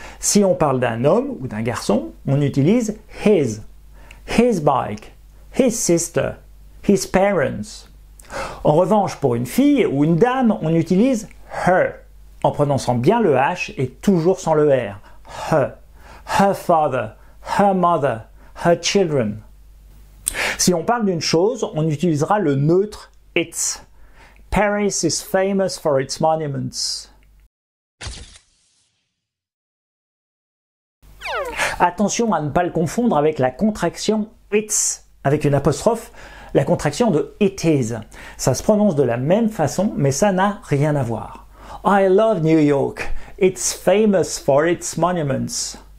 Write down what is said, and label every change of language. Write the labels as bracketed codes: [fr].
[fr] Si on parle d'un homme ou d'un garçon, on utilise « his ». [en] « His bike »,« his sister »,« his parents ». [fr] En revanche, pour une fille ou une dame, on utilise « her » en prononçant bien le « h » et toujours sans le « r ». [en] « Her »,« her father ». Her mother, her children. [fr] Si on parle d'une chose, on utilisera le neutre its. [en] Paris is famous for its monuments. [fr] Attention à ne pas le confondre avec la contraction its, avec une apostrophe, la contraction de it is. Ça se prononce de la même façon, mais ça n'a rien à voir. [en] I love New York. It's famous for its monuments.